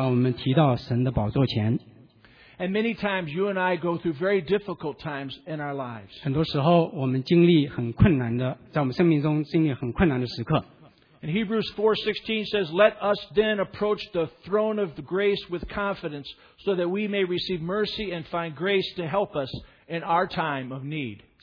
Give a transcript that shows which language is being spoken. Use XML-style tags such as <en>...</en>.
<zh>他的爱是如此的高，他的爱把我们提到神的宝座前。</zh> <en>And many times you and I go through very difficult times in our lives.</en> <zh>很多时候我们经历很困难的，在我们生命中经历很困难的时刻。</zh> <en>And Hebrews 4:16 says, Let us then approach the throne of grace with confidence so that we may receive mercy and find grace to help us in our time of need.</en>